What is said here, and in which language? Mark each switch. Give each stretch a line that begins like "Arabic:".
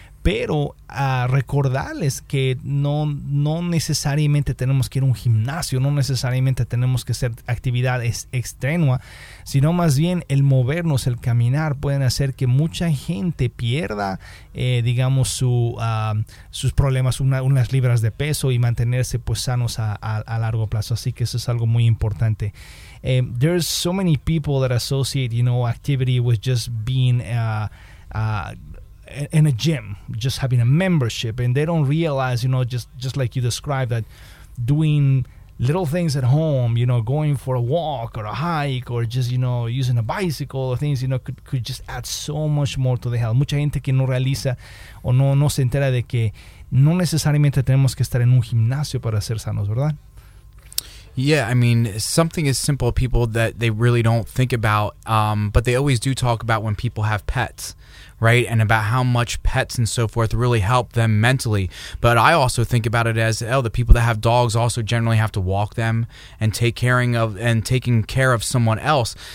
Spanish: Pero a recordarles que no necesariamente tenemos que ir a un gimnasio, no necesariamente tenemos que hacer actividad extenua, sino más bien el movernos, el caminar, pueden hacer que mucha gente pierda, digamos, sus problemas, unas libras de peso y mantenerse pues sanos a largo plazo. Así que eso es algo muy importante.
English: There's so many people that associate, you know, activity with just being in a gym, just having a membership, and they don't realize, you know, just like you described, that doing little things at home, you know, going for a walk or a hike or just, you know, using a bicycle or things, you know, could just add so much more to the health.
Spanish: Mucha gente que no realiza o no se entera de que no necesariamente tenemos que estar en un gimnasio para ser sanos, ¿verdad?
English: Yeah, I mean, something as simple, people that they really don't think about, but they always do talk about when people have pets, right? And about how much pets and so forth really help them mentally. But I also think about it as, the people that have dogs also generally have to walk them and taking care of someone else.